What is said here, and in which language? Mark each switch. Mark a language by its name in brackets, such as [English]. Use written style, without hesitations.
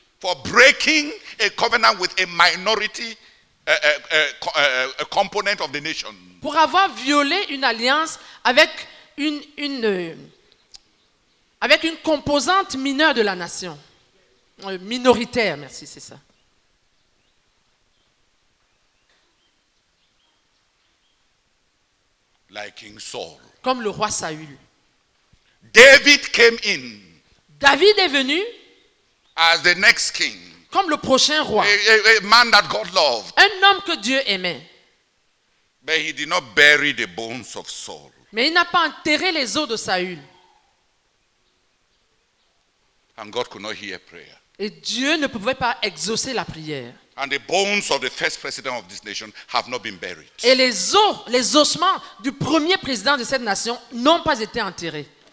[English] For breaking a covenant with a minority a component of the nation. [French] Pour avoir violé une alliance avec une composante mineure de la nation. Minoritaire, merci, c'est ça. [English] Like King Saul. [French] Comme le roi Saül. [English] David came in. [French] David est venu. [English] As the next king. [French] Comme le prochain roi. [English] A man that God loved. [French] Un homme que Dieu aimait. [English] But he did not bury the bones of Saul. [French] Mais il n'a pas enterré les os de Saül. [English] And God could not hear prayer. [French] Et Dieu ne pouvait pas exaucer la prière. [English] And the bones of the first president of this nation have not been buried. [French] Et les ossements du premier président de cette nation n'ont pas été enterrés.